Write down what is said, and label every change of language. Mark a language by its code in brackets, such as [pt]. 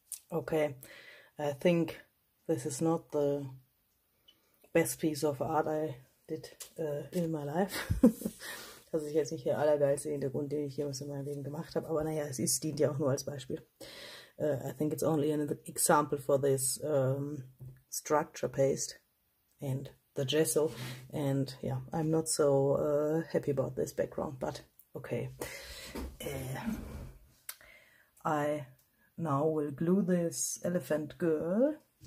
[en] Okay, I think this is not the best piece of art I did in my life. [de] Das ist jetzt nicht der allergeilste Hintergrund, den ich jemals in meinem Leben gemacht habe, aber naja, es dient ja auch nur als Beispiel. [en] I think it's only an example for this structure paste and the gesso, and yeah, I'm not so happy about this background, but okay. I now will glue this elephant girl.